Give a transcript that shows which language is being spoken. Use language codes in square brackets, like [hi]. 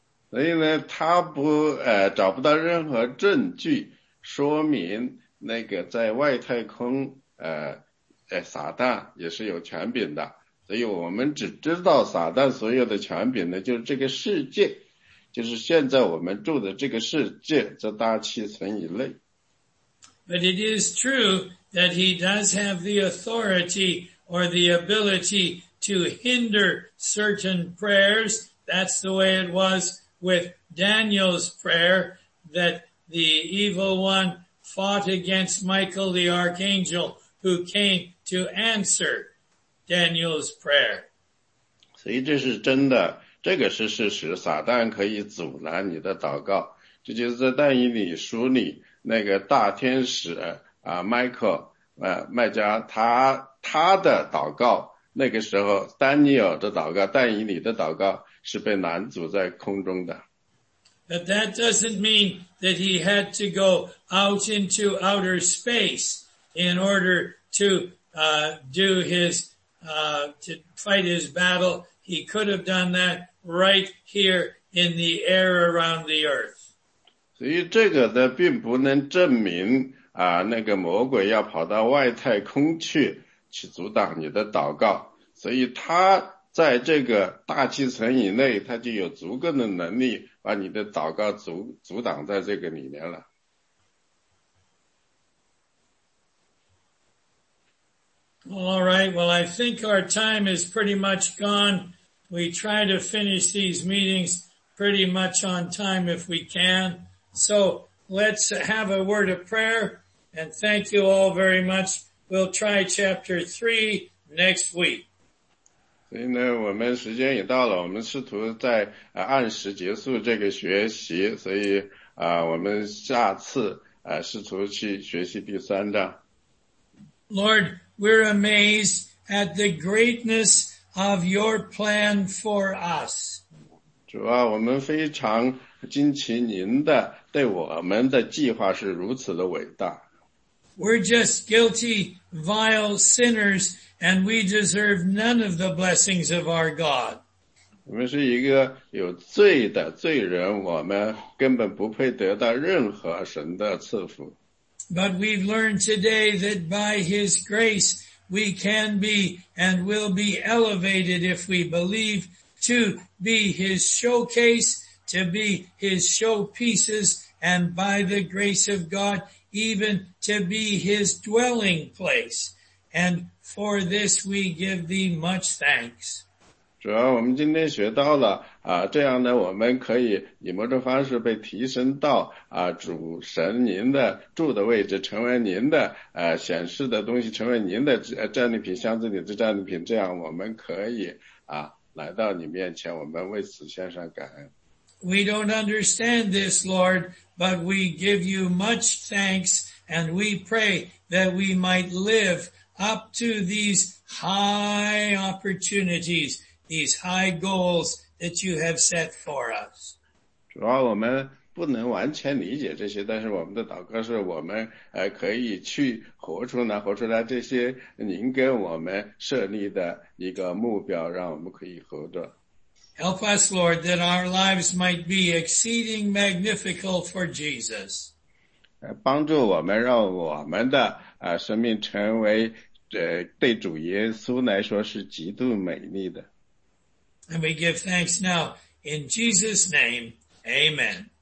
[zh] 所以呢，他不找不到任何证据说明那个在外太空撒旦也是有权柄的。所以我们只知道撒旦所有的权柄呢，就是这个世界，就是现在我们住的这个世界，这大气层以内。 [en] But it is true that he does have the authority or the ability. To hinder certain prayers, that's the way it was with Daniel's prayer that the evil one fought against Michael the archangel who came to answer Daniel's prayer. [zh] 所以这是真的，这个是事实，撒旦可以阻拦你的祷告。这就是在但以理书里那个大天使Michael, 麦加他的祷告。那个时候丹尼尔的祷告，但以理的祷告是被拦阻在空中的。 [en] But that doesn't mean that he had to go out into outer space in order to do his, to fight his battle. He could have done that right here in the air around the earth. [zh] 所以这个呢并不能证明那个魔鬼要跑到外太空去。去阻挡你的祷告，所以他在这个大气层以内，他就有足够的能力把你的祷告阻挡在这个里面了。 [en] All right. Well, I think our time is pretty much gone. We try to finish these meetings pretty much on time if we can. So let's have a word of prayer and thank you all very much. We'll try chapter 3 next week. [zh] 所以呢，我们时间也到了，我们试图在按时结束这个学习，所以我们下次试图去学习第三章。 [en] Lord, we're amazed at the greatness of your plan for us. [zh] 主啊，我们非常惊奇您的对我们的计划是如此的伟大。 [en] We're just guilty, vile sinners, and we deserve none of the blessings of our God. [zh] 我们是一个有罪的罪人，我们根本不配得到任何神的赐福。 [en] But we've learned today that by His grace, we can be and will be elevated if we believe to be His showcase, to be His showpieces, and by the grace of God, even to be His dwelling place. And for this we give Thee much thanks. [zh] 主要我们今天学到了这样呢我们可以以某种方式被提升到主神您的住的位置成为您的显示的东西成为您的战利品箱子里的战利品这样我们可以来到你面前我们为此献上感恩。 [en] We don't understand this, Lord, but we give you much thanks and we pray that we might live up to these high opportunities, these high goals that you have set for us. [zh] 主要我们不能完全理解这些但是我们的祷告是我们可以去活出来这些您给我们设立的一个目标让我们可以活着。 [en] Help us, Lord, that our lives might be exceeding magnificent for Jesus. [zh] 帮助我们让我们的生命成为对主耶稣来说是极度美丽的。 [en] And we give thanks now in Jesus' name. Amen.